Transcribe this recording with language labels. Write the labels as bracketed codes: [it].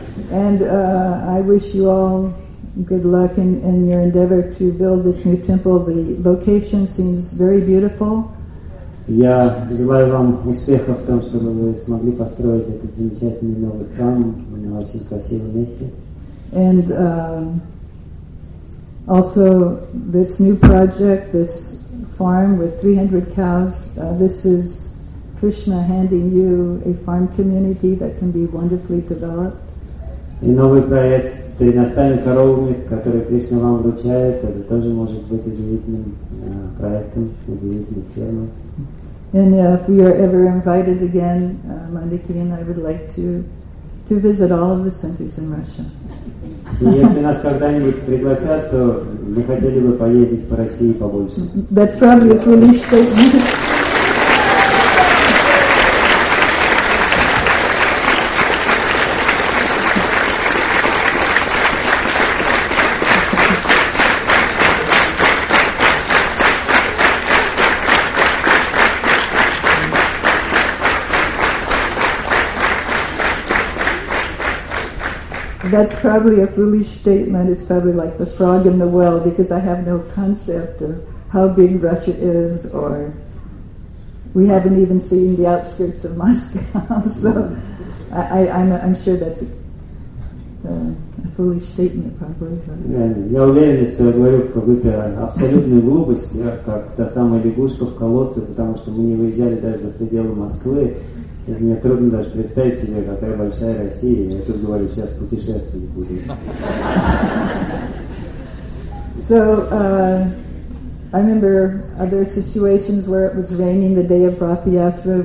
[en] And I wish you all good luck in your endeavor to build this new temple. The location seems very beautiful. [ru] Я желаю вам успехов в том, чтобы вы смогли построить этот замечательный новый храм на очень красивом месте. [en] And also this new project, this farm with 300 cows, this is Krishna handing you a farm community that can be wonderfully developed. [ru] И новый проект с 300 коровами, который Кришна вам вручает, это тоже может быть удивительным проектом, удивительной фермой. [en] And if we are ever invited again, Mandakini and I would like to visit all of the centers in Russia. [ru] Если нас когда-нибудь пригласят, то мы хотели бы поездить по России побольше. [en] That's probably a foolish statement. That's probably a foolish statement. It's probably like the frog in the well, because I have no concept of how big Russia is, or we haven't even seen the outskirts of Moscow. So I'm sure that's a foolish statement, probably. [ru] Я уверен, что я говорю какую-то абсолютную глупость, как та самая лягушка в колодце, потому что мы не выезжали даже за пределы Москвы. Мне трудно даже представить себе, какая большая Россия. Я тут говорю, сейчас путешествовать буду. [en] So, I remember other situations where it was raining the day of Rathyatra.